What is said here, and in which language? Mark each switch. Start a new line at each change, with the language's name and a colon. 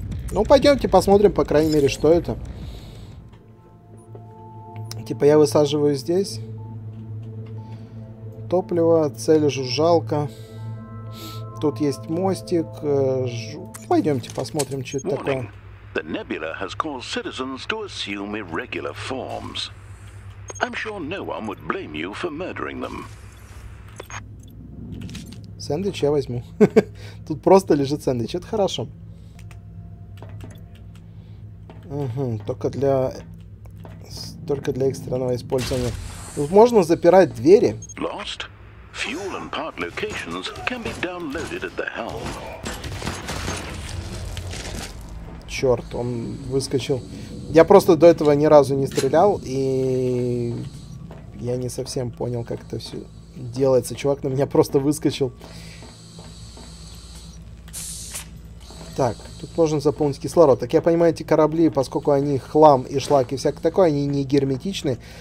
Russian: Ну, пойдемте посмотрим, по крайней мере, что это. Типа я высаживаю здесь. Топливо, цель жужжалка. Тут есть мостик. Пойдемте посмотрим, что это такое.
English: The nebula has caused citizens to assume irregular forms. I'm sure no one would blame you for murdering them.
Russian: Сэндвич я возьму. Тут просто лежит сэндвич. Это хорошо. Угу, только для... Только для экстренного использования. Тут можно запирать двери.
English: Lost? Fuel and part locations can be downloaded at the helm.
Russian: Черт, он выскочил. Я просто до этого ни разу не стрелял, и я не совсем понял, как это все делается. Чувак на меня просто выскочил. Так, тут можно заполнить кислород. Так я понимаю, эти корабли, поскольку они хлам и шлак и всякое такое, они не герметичны.